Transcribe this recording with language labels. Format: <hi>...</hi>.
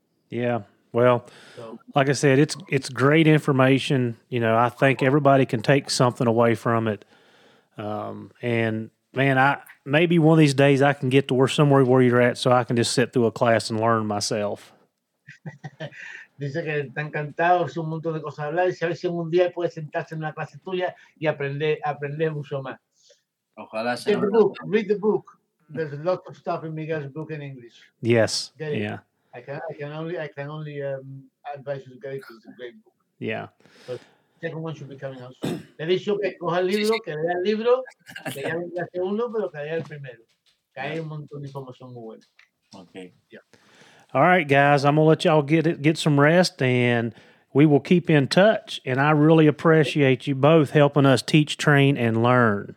<en>Yeah, well, like I said, it's great information. You know, I think everybody can take something away from it. And man, maybe one of these days I can get to somewhere where you're at, so I can just sit through a class and learn myself.</en> <es>Dice que está encantado, es un montón de cosas a hablar, y a ver si algún día puede sentarse en una clase tuya y aprender mucho más. Ojalá sea.</es> <en>Read the book. there's a lot of stuff in Miguel's book in English. Yes. Gary, yeah. I can only advise you to get it. It's a great book. Yeah. But the second one should be coming out soon.</en> <es>Le he dicho que coja el libro, que lea el libro, que lea el segundo, pero que lea el primero. Que hay un montón de información muy buena.</es> <en>Okay. Yeah. All right, guys, I'm going to let y'all get some rest, and we will keep in touch. And I really appreciate you both helping us teach, train, and learn.</en>